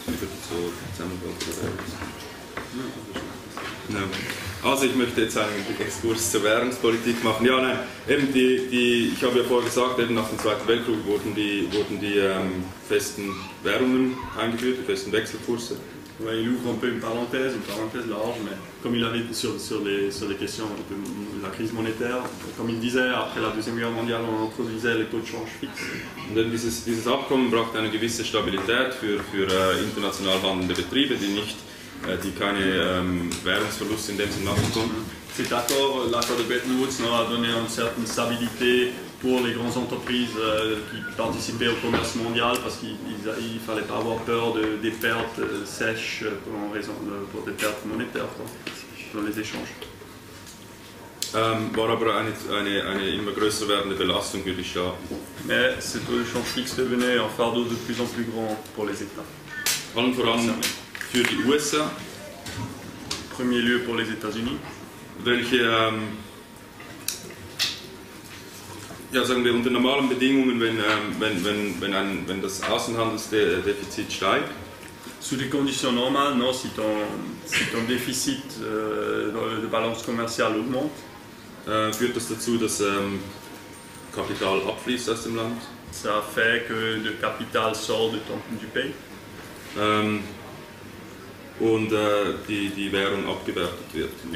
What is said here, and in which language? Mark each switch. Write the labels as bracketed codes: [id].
[de] Über die Zusammenfassung. Ja. Also ich möchte jetzt einen Exkurs zur Währungspolitik machen. Ja, nein, eben ich habe ja vorher gesagt, eben nach dem Zweiten Weltkrieg wurden die festen Währungen eingeführt, die festen Wechselkurse. [fr] Ouais, il ouvre un peu une parenthèse large, mais comme il avait sur les questions de la crise monétaire, comme il disait, après la Deuxième Guerre mondiale, on introduisait les taux de change fixes. [de] Und dieses Abkommen brachte eine gewisse Stabilität für international handelnde Betriebe, die keine Währungsverluste in dem Sinne machen konnten. [fr] Cet accord, l'accord de Bretton Woods, a donné une certaine stabilité pour les grandes entreprises qui participaient au commerce mondial parce qu'il ne fallait pas avoir peur des pertes sèches pour des pertes monétaires dans les échanges. [de] War aber eine immer größer werdende Belastung für die Staaten. [fr] Mais ce taux de change fixe devenait un fardeau de plus en plus grand pour les États. [de] Allen voran für die USA. [fr] Premier lieu pour les États-Unis. [de] Welche, sagen wir, unter normalen Bedingungen, wenn das Außenhandelsdefizit steigt. [fr] Sous des conditions normales, non, si ton déficit de balance commerciale augmente. [de] Führt das dazu, dass Kapital abfließt aus dem Land? [fr] Ça fait que le capital sort du pays. [de] und die Währung abgewertet wird.